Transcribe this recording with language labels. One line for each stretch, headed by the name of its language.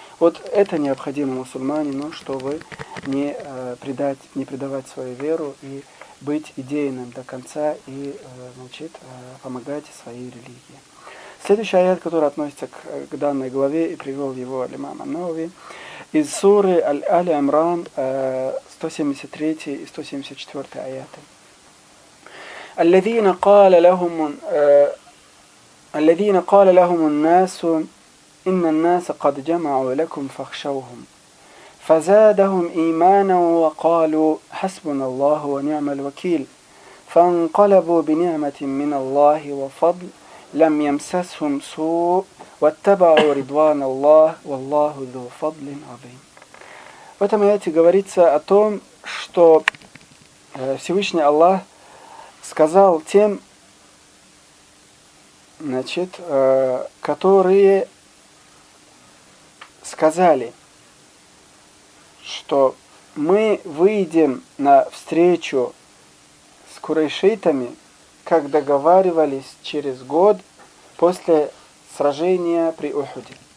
Russian: Вот это необходимо мусульманину, чтобы не предать, не предавать свою веру и быть идейным до конца и, значит, помогать своей религии. Следующий аят, который относится к данной главе, и привел его имам ан-Науви, из суры Аль-Амран, 173 и 174 аяты. «Аллазина кала лахумун...»
Arabic: الذين قال لهم الناس إن الناس قد جمعوا لكم فاخشوهم فزادهم إيمانا وقالوا حسبنا الله ونعم الوكيل فانقلبوا بنعمة من الله وفضل لم يمسسهم سوء واتبعوا رضوان الله والله ذو فضل عظيم.
Russian: В этом аяте говорится о том, что Всевышний Аллах сказал тем, значит, которые сказали, что мы выйдем на встречу с курайшитами, как договаривались через год после сражения при Ухуде.